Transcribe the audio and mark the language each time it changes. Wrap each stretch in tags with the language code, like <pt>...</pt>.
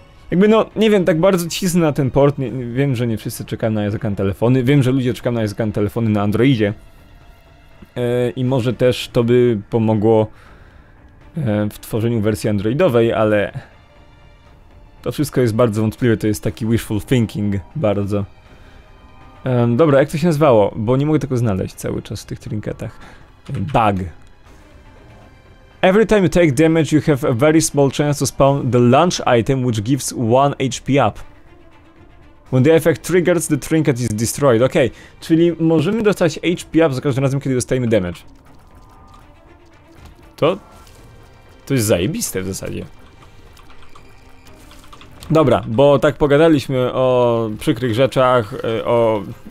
<pl>Jakby no, nie wiem, tak bardzo cisnę na ten port, wiem, że nie wszyscy czekają na Isaaca na telefony, wiem, że ludzie czekają na Isaaca na telefony na Androidzie i może też to by pomogło w tworzeniu wersji androidowej, ale to wszystko jest bardzo wątpliwe, to jest taki</pl> <en>wishful thinking,</en> <pl>bardzo. Dobra, jak to się nazywało? Bo nie mogę tego znaleźć cały czas w tych trinketach.</pl> <en>Bug. Every time you take damage, you have a very small chance to spawn the lunch item, which gives 1 HP up. When the effect triggers, the trinket is destroyed.</en> <pl>Okej, okay. Czyli możemy dostać HP up za każdym razem, kiedy dostajemy damage. To jest zajebiste w zasadzie. Dobra, bo tak pogadaliśmy o przykrych rzeczach, o...</pl>